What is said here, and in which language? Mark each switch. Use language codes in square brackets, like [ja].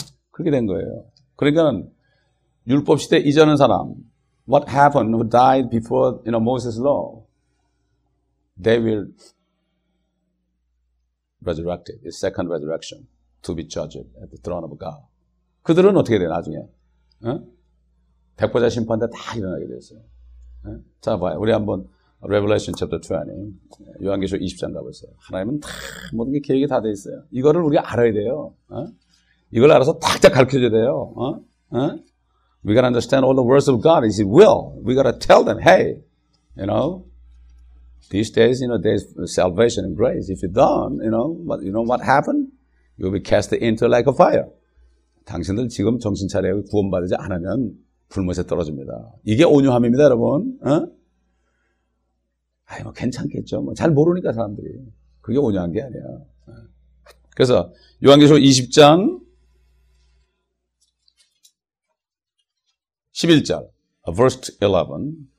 [ko] 그렇게 된 거예요. 그러니까 율법 시대 이전의 사람, [en] what happened who died before you know, Moses' law? They will resurrected, the second resurrection, to be judged at the throne of God. [ko] 그들은 어떻게 돼, 나중에? 백보자 심판 때 다 일어나게 됐어요. 자, 봐요. 우리 한번 [en] Revelation chapter 20, [ko] 요한계시록 20장 가보세요. 하나님은 다 모든 게 계획이 다 돼 있어요. 이거를 우리가 알아야 돼요. 이걸 알아서 탁탁 가르쳐줘야 돼요. [en] We gotta understand all the words of God is His will. We gotta tell them, hey, you know, these days, you know, there's salvation and grace. If you don't, you know what happened? You'll be cast into like a fire. [ko] 당신들 지금 정신 차려 구원받지 않으면 불못에 떨어집니다. 이게 온유함입니다, 여러분. 아이 뭐 괜찮겠죠. 뭐 잘 모르니까 사람들이. 그게 온유한 게 아니야. 그래서 요한계시록 20장 11절, [en] verse 11.